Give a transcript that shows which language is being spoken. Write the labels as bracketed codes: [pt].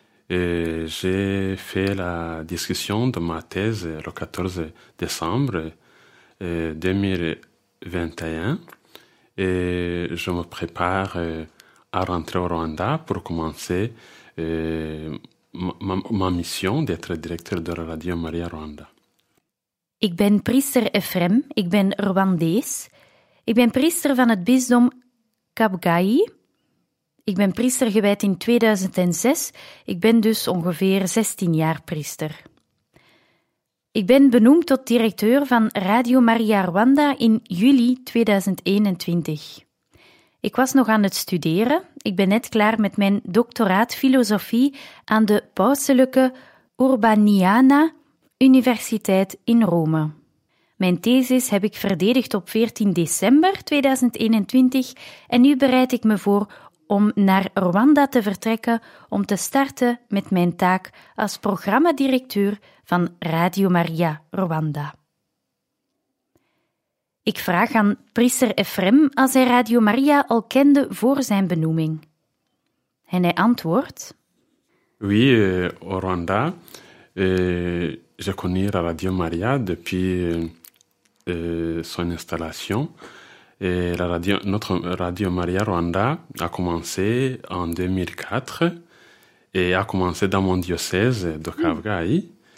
[fr] Et j'ai fait la discussion de ma thèse le 14 décembre 2021 et je me prépare à rentrer au Rwanda pour commencer ma mission d'être directeur de la Radio Maria Rwanda. [nl] Ik ben priester Ephrem, ik ben Rwandais, ik ben priester van het bisdom Kabgayi. Ik ben priester gewijd in 2006. Ik ben dus ongeveer 16 jaar priester. Ik ben benoemd tot directeur van Radio Maria Rwanda in juli 2021. Ik was nog aan het studeren. Ik ben net klaar met mijn doctoraat filosofie aan de Pauselijke Urbaniana Universiteit in Rome. Mijn thesis heb ik verdedigd op 14 december 2021 en nu bereid ik me voor om naar Rwanda te vertrekken om te starten met mijn taak als programmadirecteur van Radio Maria Rwanda. Ik vraag aan priester Ephrem als hij Radio Maria al kende voor zijn benoeming. En hij antwoordt: [fr] Oui, au Rwanda, j'ai connu la Radio Maria depuis son installation. Et la radio, notre Radio Maria Rwanda a commencé en 2004 et a commencé dans mon diocèse de Kabgayi.